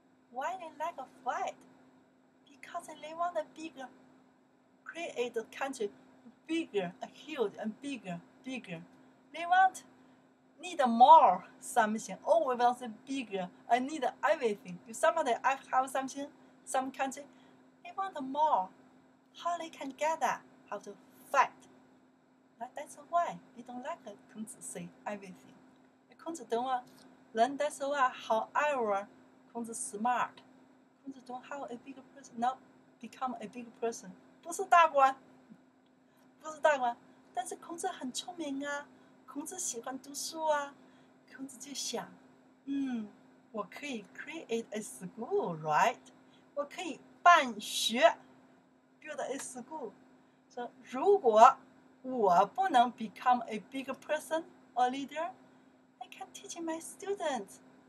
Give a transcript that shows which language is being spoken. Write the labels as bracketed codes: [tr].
[en] why they like a fight because they want a bigger create a country bigger a huge and bigger bigger they want need more something always want a bigger I need everything if somebody have something some country they want moreHow they can get that? How to fight? That's why we don't like Kongzi say everything. Kongzi don't want learn that's why. However, Kongzi smart. Kongzi don't have a big person. Not become a big person. [zh] 不是大官，不是大官。但是孔子很聪明啊，孔子喜欢读书啊。孔子就想，我可以 [en] create a school, right? [zh] 我可以办学。 [en] Build a school. So, [zh] 如果我不能 [en] become a big person or leader, I can teach my students.